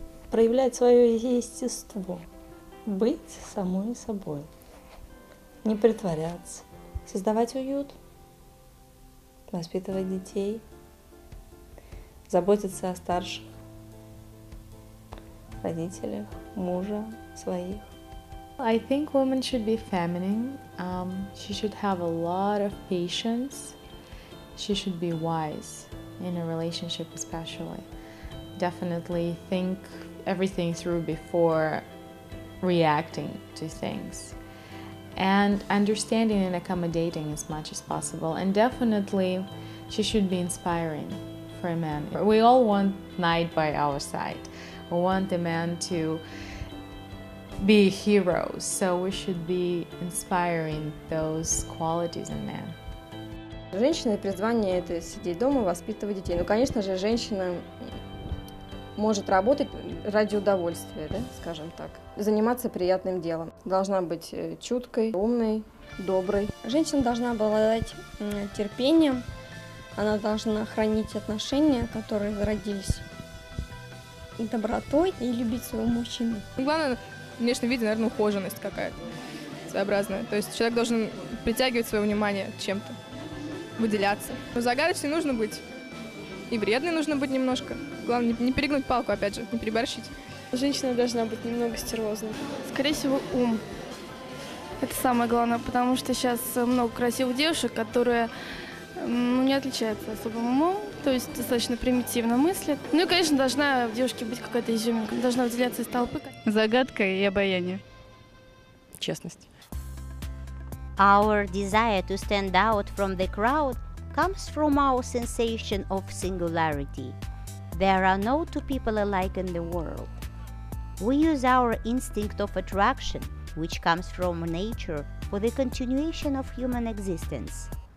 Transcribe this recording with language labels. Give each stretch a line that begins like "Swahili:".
Russian: Проявлять свое естество. Быть самой собой. Не притворяться. Создавать уют, воспитывать детей, заботиться о старших, родителях, мужа своих.
English: I think women should be feminine. She should have a lot of patience. She should be wise in a relationship especially. Definitely think everything through before reacting to things. And understanding and accommodating as much as possible. And definitely, she should be inspiring for a man. We all want knight by our side. We want a man to be a hero. So we should be inspiring those qualities in men.
Russian: Женщина, призвание это сидеть дома, воспитывать детей. Ну, конечно же, женщина может работать ради удовольствия, да, скажем так. Заниматься приятным делом. Должна быть чуткой, умной, доброй. Женщина должна обладать терпением. Она должна хранить отношения, которые зародились, добротой и любить своего мужчину. Главное, в внешнем виде, наверное, ухоженность какая-то своеобразная. То есть человек должен притягивать свое внимание чем-то, выделяться. Но загадочной нужно быть. И вредной нужно быть немножко. Главное, не перегнуть палку, опять же, не переборщить. Женщина должна быть немного стервозной. Скорее всего, ум. Это самое главное, потому что сейчас много красивых девушек, которые не отличаются особым умом, то есть достаточно примитивно мыслят. Ну и, конечно, должна в девушке быть какая-то изюминка, должна выделяться из толпы. Загадка и обаяние. Честность.
English: Our desire to stand out from the crowd comes from our sensation of singularity. There are no two people alike in the world. We use our instinct of attraction, which comes from nature, for the continuation of human existence.